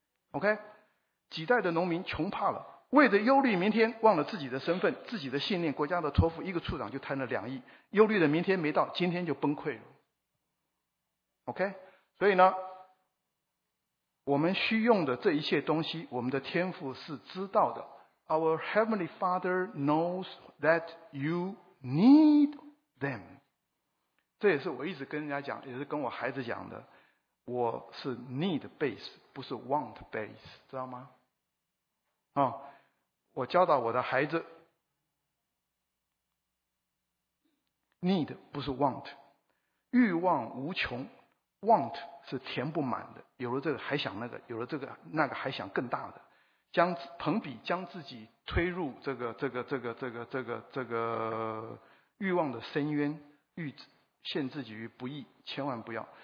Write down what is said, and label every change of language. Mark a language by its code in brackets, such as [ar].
[zh] OK， 几代的农民穷怕了，为了忧虑明天，忘了自己的身份、自己的信念、国家的托付，一个处长就贪了2亿，忧虑的明天没到，今天就崩溃了。 OK， 所以呢，我们需用的这一切东西，我们的天父是知道的。 [en] Our Heavenly Father knows that you need them。 [zh] 这也是我一直跟人家讲，也是跟我孩子讲的。我是 [en] need base [zh] 不是 [en] want base， [zh] 知道吗、哦、我教导我的孩子 need 不是 want， 欲望无穷， want 是填不满的，有了这个还想那个，有了这个那个还想更大的，将朋比将自己推入这个欲望的深渊，欲陷自己于不义，千万不要。